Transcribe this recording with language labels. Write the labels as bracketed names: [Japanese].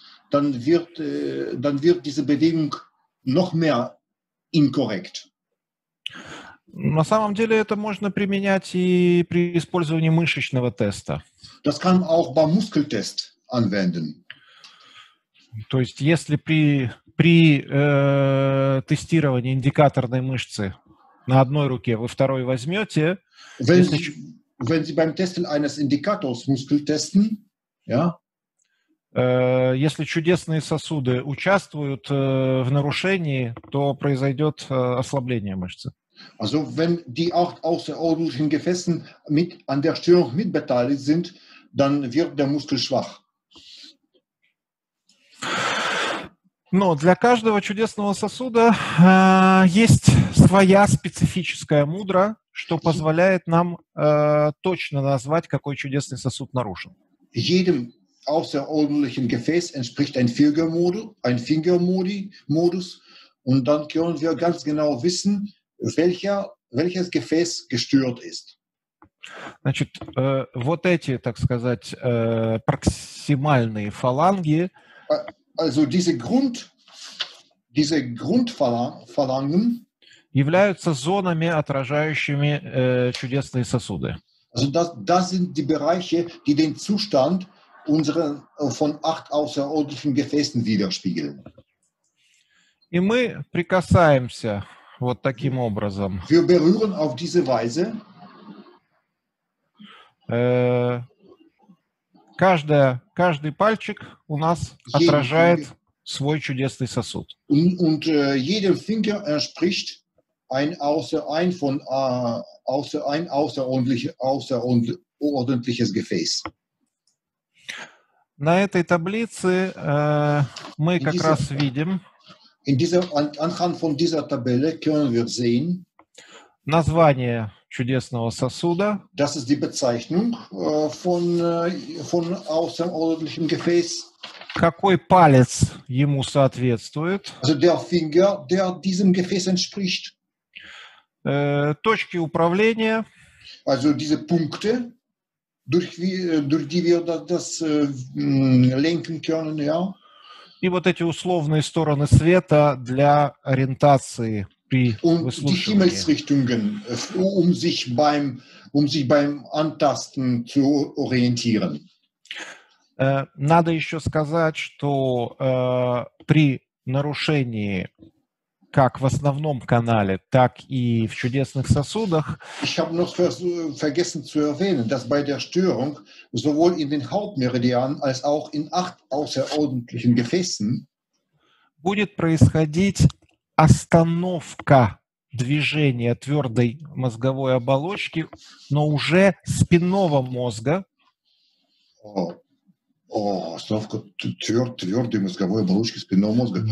[German] Dann wird diese Bewegung noch mehr inkorrekt. [Russian] На самом деле это можно применять и при использовании мышечного теста. [German] Das kann auch beim Muskeltest anwenden. [Russian] То есть, если при тестировании индикаторной мышцы На одной руке вы второй возьмете. [German] Wenn Sie beim Testen eines Indikators Muskel testen, ja? [Russian] Если чудесные сосуды участвуют в нарушении, то произойдет ослабление мышцы. [German] Also wenn die auch außerordentlichen Gefäßen mit an der Störung mitbeteiligt sind, dann wird der Muskel schwach. [Russian] Но для каждого чудесного сосуда есть своя специфическая мудра, что позволяет нам точно назвать, какой чудесный сосуд нарушен. [German] Jedem außerordentlichen Gefäß entspricht ein Fingermodus, und dann können wir ganz genau wissen, welches Gefäß gestört ist. [Russian] Значит, вот эти, так сказать, проксимальные фаланги. [German] Also diese Grundphalangen [Russian] являются зонами, отражающими чудесные сосуды. [German] Also das sind die Bereiche, die den Zustand unserer von 8 außerordentlichen Gefäßen widerspiegeln. [Russian] И мы прикасаемся вот таким образом. [German] Wir berühren auf diese Weise. [Russian] Каждый пальчик у нас отражает свой чудесный сосуд. [German] Und jedem Finger entspricht außerordentliches Gefäß. [Russian] На этой таблице мы как раз видим [German] anhand von dieser Tabelle können wir sehen [Russian] название чудесного сосуда. [German] Das ist die Bezeichnung von außerordentlichem Gefäß. [Russian] Какой палец ему соответствует? [German] Also der Finger, der diesem Gefäß entspricht. [Russian] Точки управления. [German] Also diese Punkte, durch die wir das lenken können, ja. [Russian] И вот эти условные стороны света для ориентации при выслушивании. [German] Und die Himmelsrichtungen, um sich beim Antasten zu orientieren. [Russian] Надо еще сказать, что при нарушении как в основном канале, так и в чудесных сосудах. [German] Ich habe noch vergessen zu erwähnen, dass bei der Störung sowohl in den Hauptmeridianen als auch in 8 außerordentlichen Gefäßen [Russian] будет происходить остановка движения твердой мозговой оболочки, но уже спинного мозга. Остановка твердой мозговой оболочки спинного мозга.